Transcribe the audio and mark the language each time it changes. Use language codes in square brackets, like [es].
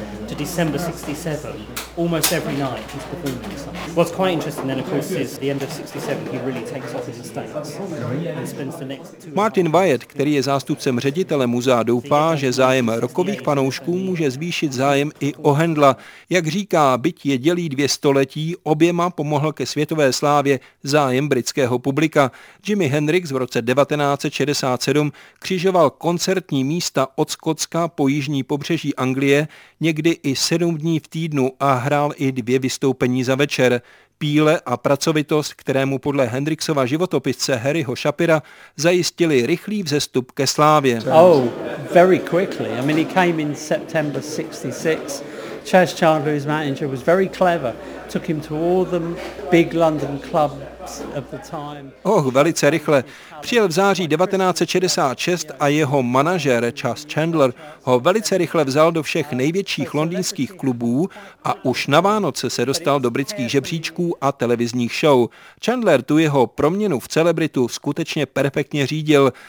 [en] December 67, almost every night he's performing something. What's quite interesting then, of course, is the end of 67, he really takes off in the States and spends the next two. [cs] Martin Wyatt, který je zástupcem ředitele muzea, doufá, že zájem rockových fanoušků může zvýšit zájem i o Handla. Jak říká, byť je dělí dvě století, oběma pomohl ke světové slávě zájem britského publika. Jimi Hendrix v roce 1967 křižoval koncertní místa od Skotska po jižní pobřeží Anglie, někdy i 7 dní v týdnu, a hrál i 2 vystoupení za večer. Píle a pracovitost, kterému podle Hendrixova životopisce Harryho Shapira zajistili rychlý vzestup ke slávě. [en] Oh, very quickly. I mean, he came in September 66. Chas Chandler, his manager, was very clever. Took him to all the big London clubs. [cs] Oh, velice rychle. Přijel v září 1966 a jeho manažer Chas Chandler ho velice rychle vzal do všech největších londýnských klubů a už na Vánoce se dostal do britských žebříčků a televizních show. Chandler tu jeho proměnu v celebritu skutečně perfektně řídil.